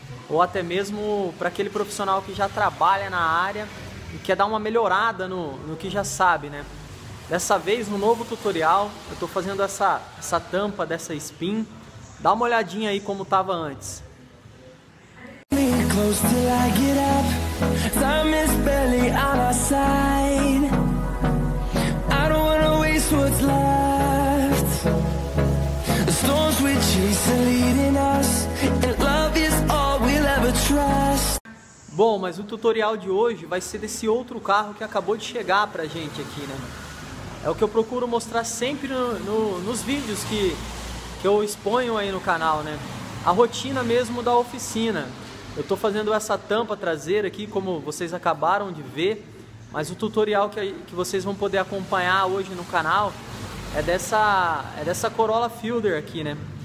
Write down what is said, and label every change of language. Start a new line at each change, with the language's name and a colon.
Portuguese: Ou até mesmo para aquele profissional que já trabalha na área e quer dar uma melhorada no que já sabe, né? Dessa vez, no novo tutorial, eu tô fazendo essa tampa dessa spin. Dá uma olhadinha aí como tava antes.
English: Close till I get up. Time is barely on our side. I don't wanna waste what's left. The storms we chase are leading us, and love is all we'll ever trust.
Portuguese: Bom, mas o tutorial de hoje vai ser desse outro carro que acabou de chegar pra gente aqui, né? É o que eu procuro mostrar sempre nos vídeos que eu exponho aí no canal, né? A rotina mesmo da oficina. Eu tô fazendo essa tampa traseira aqui, como vocês acabaram de ver, mas o tutorial que vocês vão poder acompanhar hoje no canal é dessa Corolla Fielder aqui, né?